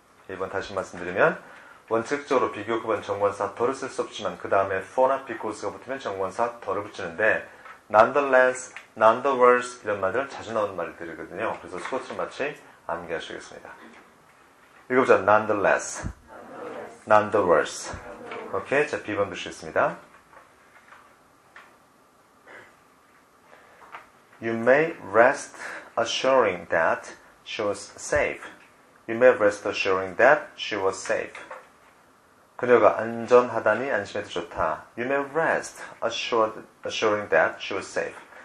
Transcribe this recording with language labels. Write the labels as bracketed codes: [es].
[ko] 1번 다시 말씀드리면 원칙적으로 비교급은 정관사 덜을 쓸 수 없지만 그 다음에 for나 because가 붙으면 정관사 덜을 붙이는데 [en] nonetheless, none the worse [ko] 이런 말들은 자주 나오는 말들이거든요. 그래서 수고처럼 마치 암기하시겠습니다. 읽어보자. [en] nonetheless, none the worse. [ko] 오케이, 자 B번 보시겠습니다. [en] You may rest assuring that she was safe. You may rest assuring that she was safe. [ko] 그녀가 안전하다니 안심해도 좋다. [en] You may rest assuring that she was safe.